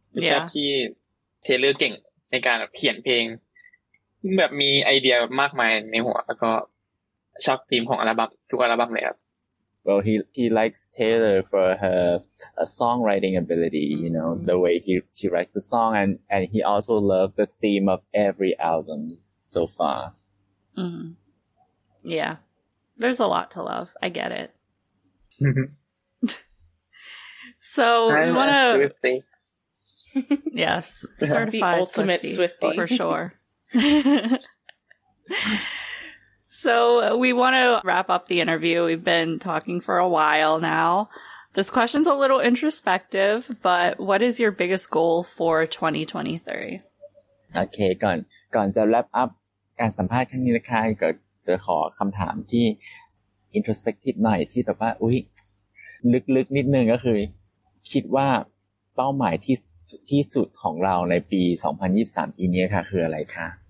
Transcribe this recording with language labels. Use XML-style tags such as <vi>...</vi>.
<th>ชอบที่เทเลอร์เก่งในการเขียนเพลงแบบมีไอเดียมากมายในหัวแล้วก็ชอบธีมของอัลบั้มทุกอัลบั้มเลยครับ</th> <en>Well he likes Taylor for her songwriting ability you know mm-hmm. the way she writes the song and he also loved the theme of every album so far mm-hmm. Yeah there's a lot to love I get it So I'm we want to Swiftie Yes certified the ultimate Swiftie for sure So we want to wrap up the interview. We've been talking for a while now. This question's a little introspective, but what is your biggest goal for 2023?</en> <th>Okay, ก่อนจะ</th> <en>wrap up</en> <th>การสัมภาษณ์ครั้งนี้นะคะก็จะขอคำถามที่ introspective หน่อยที่แบบว่าอุ๊ยลึกๆนิดนึงก็คือคิดว่าเป้าหมายที่สุดของเราในปี2023ปีนี้ค่ะคืออะไรคะ</th>